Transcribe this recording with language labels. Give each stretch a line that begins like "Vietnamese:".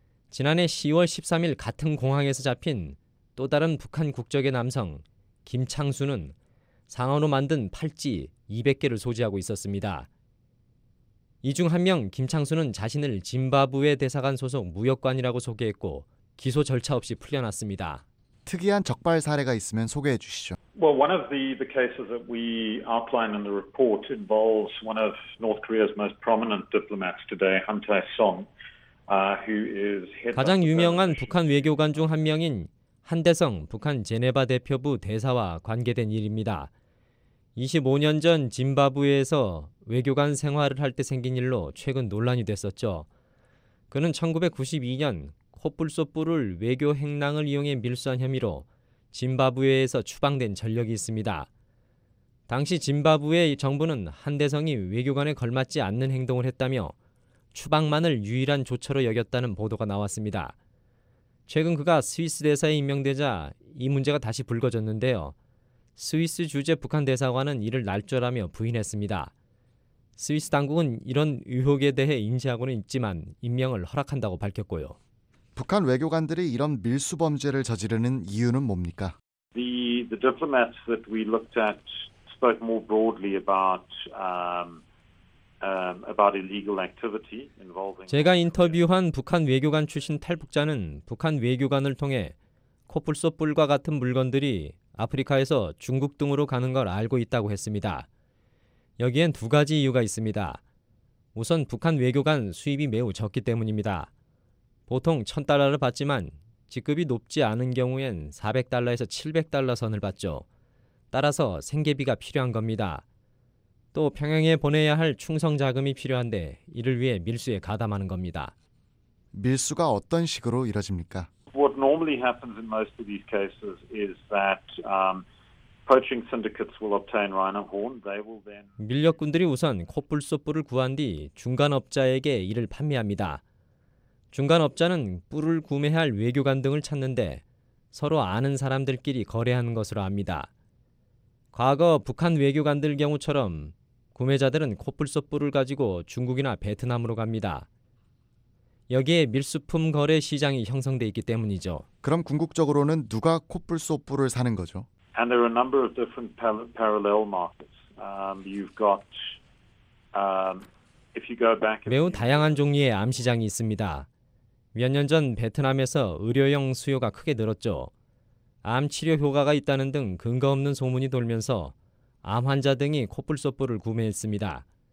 Korean: 지난해 10월 13일 같은 공항에서 잡힌 또 다른 북한 국적의 남성 김창수는 상하로 만든 팔찌 200개를 소지하고 있었습니다. 이 중 한 명 김창수는 자신을 짐바브웨 대사관 소속 무역관이라고 소개했고 기소 절차 없이 풀려났습니다. 특이한 적발 사례가 있으면 소개해 주시죠.
English: Well, one of the cases that we outline in the report involves one of North Korea's most prominent diplomats today, Han Tae-song, who is
Korean: 가장 유명한 북한 외교관 중 한 명인 한대성 북한 제네바 대표부 대사와 관계된 일입니다. 25년 전 짐바브웨에서 외교관 생활을 할 때 생긴 일로 최근 논란이 됐었죠. 그는 1992년 코뿔소뿔을 외교 행랑을 이용해 밀수한 혐의로 짐바브웨에서 추방된 전력이 있습니다. 당시 짐바브웨 정부는 한대성이 외교관에 걸맞지 않는 행동을 했다며 추방만을 유일한 조처로 여겼다는 보도가 나왔습니다. 최근 그가 스위스 대사에 임명되자 이 문제가 다시 불거졌는데요. 스위스 주재 북한 대사관은 이를 날조라며 부인했습니다. 스위스 당국은 이런 의혹에 대해 인지하고는 있지만 임명을 허락한다고 밝혔고요. 북한 외교관들이 이런 밀수 범죄를 저지르는 이유는 뭡니까?
English: The diplomats that we looked at spoke more broadly about illegal activity involving
Korean: 제가 인터뷰한 북한 외교관 출신 탈북자는 북한 외교관을 통해 코뿔소뿔과 같은 물건들이 아프리카에서 중국 등으로 가는 걸 알고 있다고 했습니다. 여기엔 두 가지 이유가 있습니다. 우선 북한 외교관 수입이 매우 적기 때문입니다. 보통 $1,000를 받지만 직급이 높지 않은 경우엔 $400에서 $700 선을 받죠. 따라서 생계비가 필요한 겁니다. 또 평양에 보내야 할 충성 자금이 필요한데 이를 위해 밀수에 가담하는 겁니다. 밀수가 어떤 식으로 이루어집니까?
English: What normally happens in most of these cases is that poaching syndicates will obtain rhino horn. They will then
Korean: 밀렵꾼들이 우선 코뿔소 뿔을 구한 뒤 중간업자에게 이를 판매합니다. 중간업자는 뿔을 구매할 외교관 등을 찾는데 서로 아는 사람들끼리 거래하는 것으로 압니다. 과거 북한 외교관들 경우처럼 구매자들은 코뿔소 뿔을 가지고 중국이나 베트남으로 갑니다. 여기에 밀수품 거래 시장이 형성돼 있기 때문이죠. 그럼 궁극적으로는 누가 코뿔소 뿔을 사는 거죠?
English: And there are a number of different parallel markets. You've got if you go back
Korean: 매우 다양한 종류의 암 시장이 있습니다. 몇 년 전 베트남에서 의료용 수요가 크게 늘었죠. 암 치료 효과가 있다는 등 근거 없는 소문이 돌면서 암 환자 등이 코뿔소 뿔을 구매했습니다.